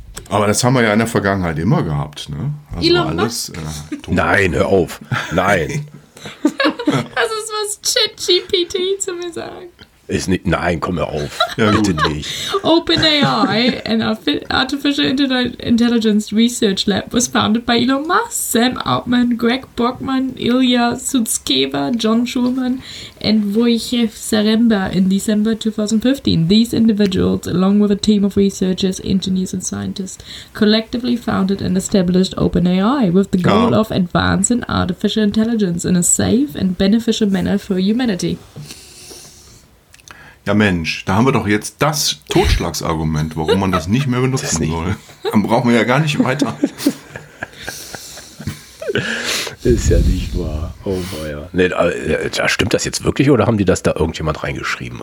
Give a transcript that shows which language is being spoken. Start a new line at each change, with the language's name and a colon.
German: Aber das haben wir ja in der Vergangenheit immer gehabt, ne? Also Elon alles. Nein, hör auf. Nein. Das ist, was ChatGPT zu mir sagt. Ist nicht, nein, komm hör auf. Ja, bitte nicht.
English: OpenAI, an Artificial Intelligence Research Lab, was founded by Elon Musk, Sam Altman, Greg Brockman, Ilya Sutskever, John Schulman, and Wojciech Saremba in December 2015. These individuals, along with a team of researchers, engineers and scientists, collectively founded and established OpenAI with the goal of advancing artificial intelligence in a safe and beneficial manner for humanity.
German: Ja Mensch, da haben wir doch jetzt das Totschlagsargument, warum man das nicht mehr benutzen soll. Dann brauchen wir ja gar nicht weiter. Ist ja nicht wahr. Oh weia. Nee, da stimmt das jetzt wirklich oder haben die das da irgendjemand reingeschrieben?